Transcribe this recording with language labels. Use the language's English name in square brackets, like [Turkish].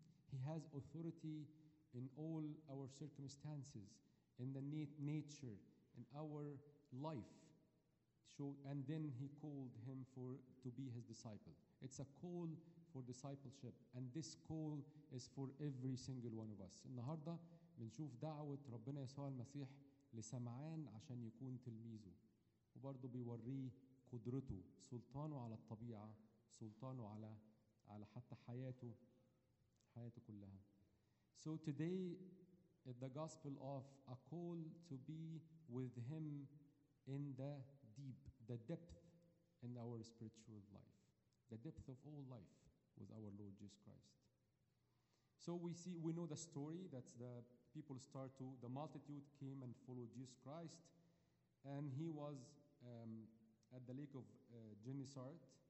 [English] He has authority in all our circumstances, in the nature, in our life. So, and then he called him to be his disciple. It's a call for discipleship, and this call is for every single one of us. [Arabic] النهاردة بنشوف دعوة ربنا يسوع المسيح لسمعان عشان يكون تلميذه، وبرضه بيوريه قدرته، سلطانه على الطبيعة، سلطانه على حتى حياته كلها. [English] So today at the gospel of a call to be with him in the depth in our spiritual life, the depth of all life with our Lord Jesus Christ. So we know the story, that's the people start to, the multitude came and followed Jesus Christ, and he was at the lake of Genesaret.